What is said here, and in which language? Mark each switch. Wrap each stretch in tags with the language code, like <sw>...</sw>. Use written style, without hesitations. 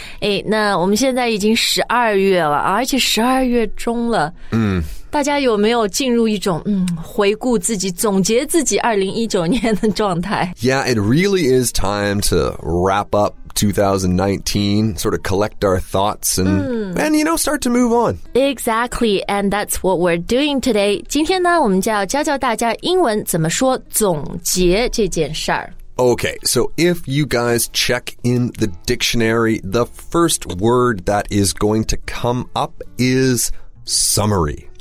<zh>诶，那我们现在已经十二月了，而且十二月中了。大家有没有进入一种回顾自己总结自己2019年的状态</zh> <en>Yeah, it really is time to wrap up2019, sort of collect our thoughts and,and you know, start to move on. Exactly, and that's what we're doing today.</en> <zh>今天呢我们就要教教大家英文怎么说总结这件事儿。</zh> <en>Okay, so if you guys check in the dictionary, the first word that is going to come up is summary.</en>